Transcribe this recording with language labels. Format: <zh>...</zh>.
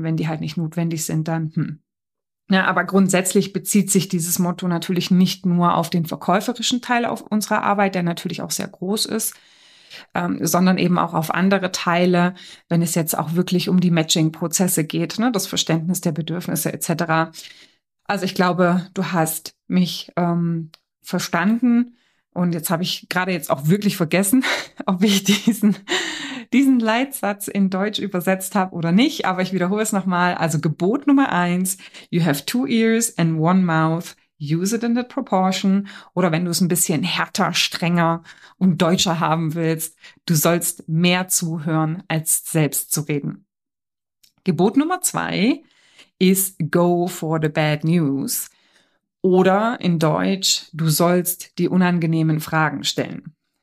<de>Und wenn die halt nicht notwendig sind, dann Ja, aber grundsätzlich bezieht sich dieses Motto natürlich nicht nur auf den verkäuferischen Teil auf unserer Arbeit, der natürlich auch sehr groß ist, sondern eben auch auf andere Teile, wenn es jetzt auch wirklich um die Matching-Prozesse geht, ne, das Verständnis der Bedürfnisse etc. Also ich glaube, du hast mich verstanden und jetzt habe ich gerade jetzt auch wirklich vergessen, ob ich diesen Leitsatz in Deutsch übersetzt habe oder nicht, aber ich wiederhole es nochmal. Also Gebot Nummer 1,</de> <en>you have two ears and one mouth, use it in that proportion.</en> <de>Oder wenn du es ein bisschen härter, strenger und deutscher haben willst, du sollst mehr zuhören, als selbst zu reden. Gebot Nummer 2 ist</de> <en>go for the bad news.</en> <de>Oder in Deutsch, du sollst die unangenehmen Fragen stellen.</de>